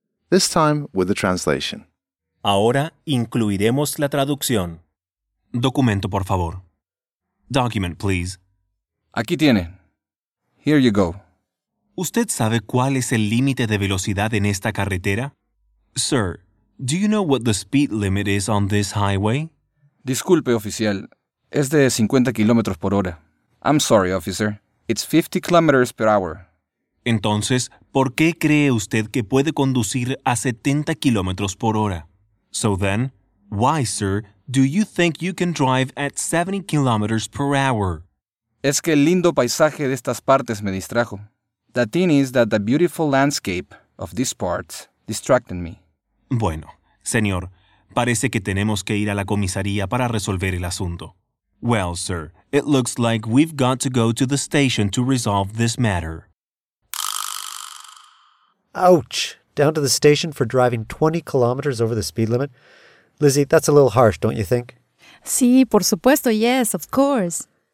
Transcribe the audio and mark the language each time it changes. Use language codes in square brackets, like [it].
[en] This time with the translation. [es] Ahora incluiremos la traducción. Documento, por favor. [en] Document, please. [es] Aquí tiene. [en] Here you go. [es] ¿Usted sabe cuál es el límite de velocidad en esta carretera? [en] Sir, do you know what the speed limit is on this highway? [es] Disculpe, oficial. Es de 50 kilómetros por hora. [en] I'm sorry, officer. It's 50 kilometers per hour. [es] Entonces, ¿por qué cree usted que puede conducir a 70 kilómetros por hora? [en] So then, why, sir, do you think you can drive at 70 kilometers per hour? [es] Es que el lindo paisaje de estas partes me distrajo. [en] The thing is that the beautiful landscape of these parts distracted me. [es] Bueno, señor, parece que tenemos que ir a la comisaría para resolver el asunto. [en] Well, sir, it looks like we've got to go to the station to resolve this matter. Ouch! Down to the station for driving 20 kilometers over the speed limit? Lizzie, that's a little harsh, don't you think? [es] Sí, por supuesto, [en] yes, of course.